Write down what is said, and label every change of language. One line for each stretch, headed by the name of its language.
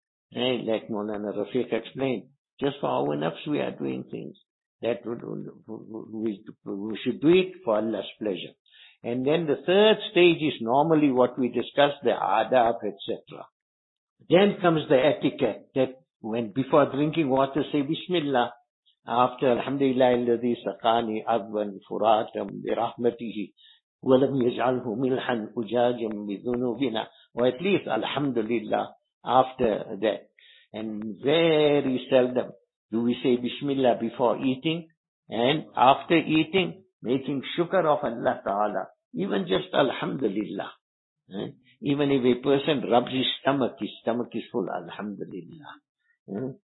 English: Hey, like Mawlana Rafiq explained, just for our nafs we are doing things. That we should do it for Allah's pleasure. And then the third stage is normally what we discuss, the adab, etc. Then comes the etiquette, that when before drinking water, say Bismillah. After
Arabic: Alhamdulillah, الَّذِي سَقَانِ عَذْبًا فُرَاتًا بِرَحْمَتِهِ وَلَمْ يَجْعَلْهُ مِلْحًا أُجَاجًا بِذُنُوبِنَا.
English: Or at least Alhamdulillah after that. And very seldom do we say Bismillah before eating and after eating, making shukr of Allah Ta'ala. Even just Alhamdulillah. Even if a person rubs his stomach is full, Alhamdulillah.